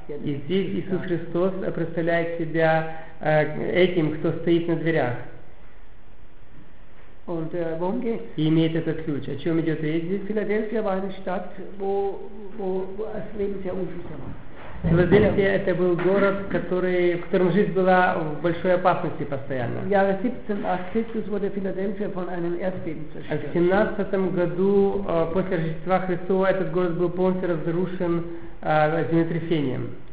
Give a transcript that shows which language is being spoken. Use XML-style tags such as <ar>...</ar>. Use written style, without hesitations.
<ru>и здесь Иисус Христос представляет себя этим, кто стоит на дверях.</ru> <de>Und, worum geht's?</de> <ru>И имеет этот ключ. О чем идет речь здесь?</ru> <de>Philadelphia war eine Stadt, wo das Leben sehr unsicher war.</de> <ru>Филадельфия – это был город, в котором жизнь была в большой опасности постоянно. В 17 году после Рождества Христова этот город был полностью разрушен землетрясением.</ru>